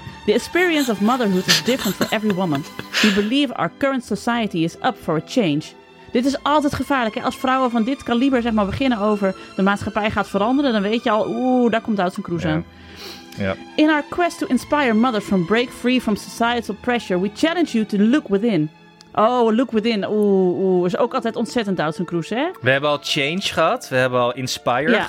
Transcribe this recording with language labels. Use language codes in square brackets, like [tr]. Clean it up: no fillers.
[en] The experience of motherhood is different for every woman. We believe our current society is up for a change. [nl] Dit is altijd gevaarlijk. Hè? Als vrouwen van dit kaliber zeg maar beginnen over de maatschappij gaat veranderen, dan weet je al, daar komt Oudson Kroes aan. [en] In our quest to inspire mothers from break free from societal pressure, we challenge you to look within. Oh, look within. [nl] Is ook altijd ontzettend Oudson Kroes, hè? We hebben al change gehad. We hebben al inspire gehad.